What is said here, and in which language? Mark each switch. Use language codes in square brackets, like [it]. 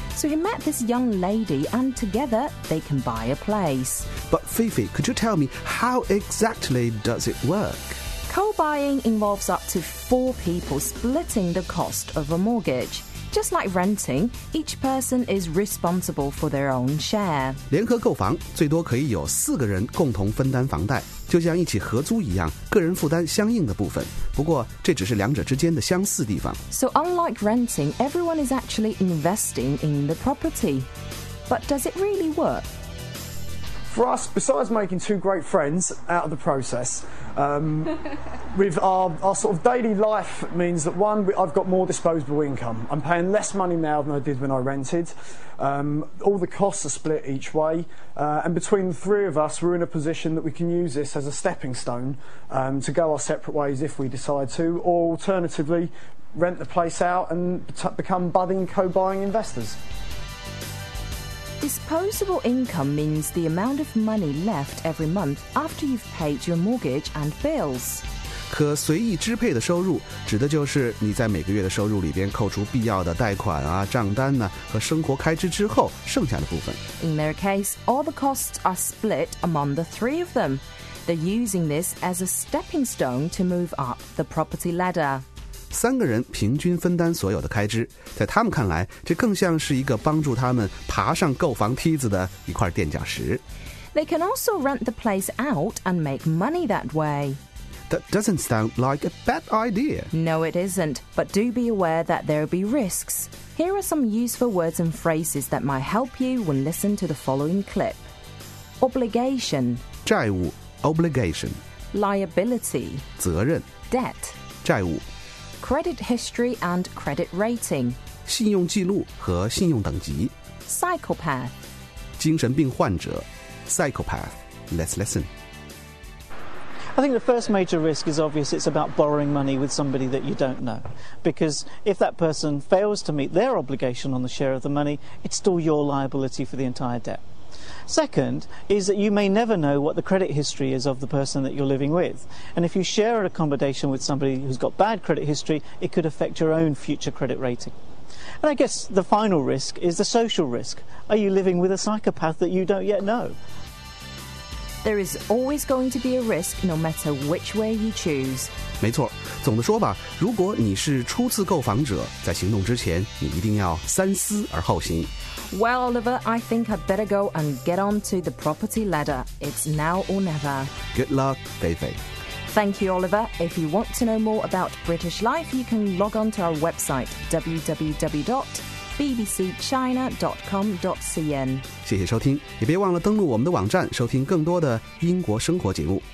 [en] So he met this young lady, and together they can buy a place. But Fifi, could you tell me how exactly does it work? Co-buying involves up to 4 people splitting the cost of a mortgage. Just like renting, each person is responsible for their own share. [zh] 联合购房最多可以有4人共同分担房贷，就像一起合租一样，个人负担相应的部分。不过，这只是两者之间的相似地方。 [en] So unlike renting, everyone is actually investing in the property. But does it really work? For us, besides making two great friends out of the process, with our sort of daily life means that, one, I've got more disposable income. I'm paying less money now than I did when I rented. All the costs are split each way. And between the three of us, we're in a position that we can use this as a stepping stone to go our separate ways if we decide to, or alternatively, rent the place out and become budding co-buying investors. Disposable income means the amount of money left every month after you've paid your mortgage and bills. [zh] 可随意支配的收入指的就是你在每个月的收入里边扣除必要的贷款啊、账单呢、啊、和生活开支之后剩下的部分。 [en] In their case, all the costs are split among the three of them. They're using this as a stepping stone to move up the property ladder. [zh] 三个人平均分担所有的开支，在他们看来，这更像是一个帮助他们爬上购房梯子的一块垫脚石。 [en] They can also rent the place out and make money that way. That doesn't sound like a bad idea. No, it isn't. But do be aware that there'll be risks. Here are some useful words and phrases that might help you when listening to the following clip. Obligation. [zh] 债务 Obligation. [en] Liability. [zh] 责任 [en] Debt. [zh] 债务 [en] Credit history and credit rating. [zh] 信用记录和信用等级 [en] Psychopath. [zh] 精神病患者 Psychopath. [en] Let's listen. I think the first major risk is obvious. It's about borrowing money with somebody that you don't know. Because if that person fails to meet their obligation on the share of the money, it's still your liability for the entire debt. Second is that you may never know what the credit history is of the person that you're living with. And if you share an accommodation with somebody who's got bad credit history, it could affect your own future credit rating. And I guess the final risk is the social risk. Are you living with a psychopath that you don't yet know? There is always going to be a risk no matter which way you choose. [zh] 没错，总的说吧，如果你是初次购房者，在行动之前，你一定要三思而后行。 [en] Well, Oliver, I think I'd better go and get on to the property ladder. It's now or never. Good luck, David. Thank you, Oliver. If you want to know more about British life, you can log on to our website, www.bbcchina.com.cn. [zh] 谢谢收听，也别忘了登录我们的网站，收听更多的英国生活节目。